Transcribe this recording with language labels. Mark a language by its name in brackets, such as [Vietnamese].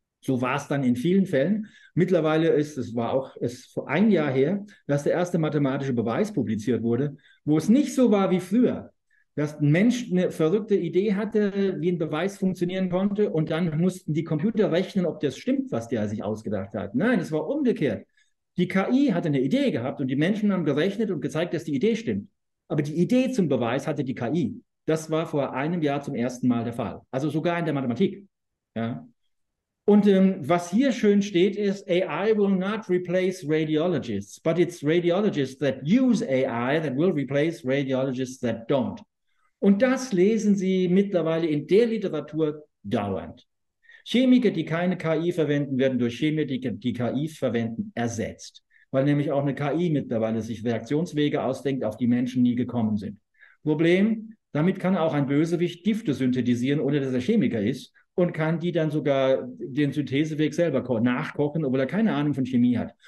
[German] So war es dann in vielen Fällen. Mittlerweile ist, es war auch es vor ein Jahr her, dass der erste mathematische Beweis publiziert wurde, wo es nicht so war wie früher, dass ein Mensch eine verrückte Idee hatte, wie ein Beweis funktionieren konnte, und dann mussten die Computer rechnen, ob das stimmt, was der sich ausgedacht hat. Nein, es war umgekehrt. Die KI hatte eine Idee gehabt und die Menschen haben gerechnet und gezeigt, dass die Idee stimmt. Aber die Idee zum Beweis hatte die KI. Das war vor einem Jahr zum ersten Mal der Fall. Also sogar in der Mathematik. Ja. [English] Und was hier schön steht, ist: AI will not replace radiologists, but it's radiologists that use AI that will replace radiologists that don't. [German] Und das lesen Sie mittlerweile in der Literatur dauernd. Chemiker, die keine KI verwenden, werden durch Chemiker, die KI verwenden, ersetzt. Weil nämlich auch eine KI mittlerweile sich Reaktionswege ausdenkt, auf die Menschen nie gekommen sind. Problem: damit kann auch ein Bösewicht Gifte synthetisieren, ohne dass er Chemiker ist, und kann die dann sogar den Syntheseweg selber nachkochen, obwohl er keine Ahnung von Chemie hat.